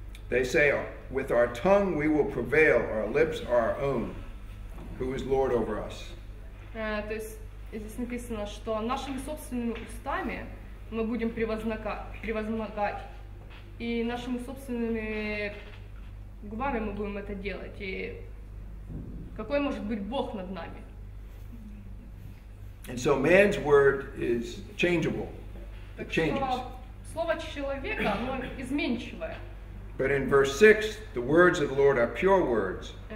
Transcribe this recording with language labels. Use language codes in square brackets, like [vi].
[en] They say, with our tongue we will prevail, our lips are our own. Who is Lord over us? [ru] То есть здесь написано, что нашими собственными устами мы будем превозмогать. И нашими собственными губами мы будем это делать. И какой может быть Бог над нами? [en] And so man's word is changeable. It changes. [ru] Слово человека, оно изменчивое. [en] But in verse 6, the words of the Lord are pure words.